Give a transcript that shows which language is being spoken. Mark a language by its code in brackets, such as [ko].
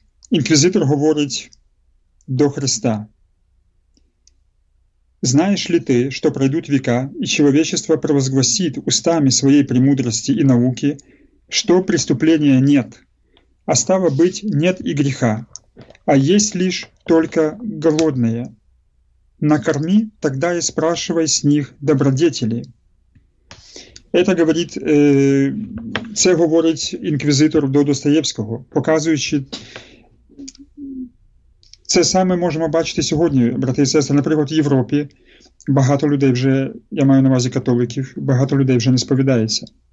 [uk] Інквізитор говорить до Христа: «Знаєш ли ти, що пройдуть віка, [ru] і человечество провозгласит устами своєї премудрості і науки, що преступления нет, а стало быть нет и греха, а есть лишь только голодные. Накорми, тогда и спрашивай с них добродетели». Это говорит, [uk] це говорить інквізитор до Достоєвського, показуючи, це саме можемо бачити сьогодні, брати і сестри, наприклад, в Європі, багато людей вже, я маю на увазі католиків, багато людей вже не сповідається.